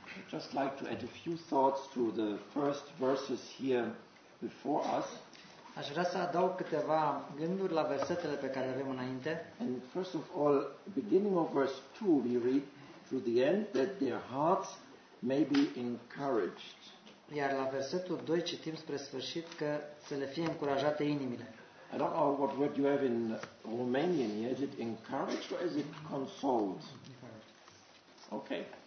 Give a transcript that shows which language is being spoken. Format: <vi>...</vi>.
<en>Just like to add a few thoughts to the first verses here before us.</en> <ro>Aș vrea să adaug câteva gânduri la versetele pe care le avem înainte.</ro> <en>And first of all, beginning of verse 2, we read to the end that their hearts may be encouraged.</en> <ro>Iar la versetul 2 citim spre sfârșit că să le fie încurajate inimile.</ro> <en>I don't know what word you have in Romanian. Is it encouraged or is it consoled? Okay.</en>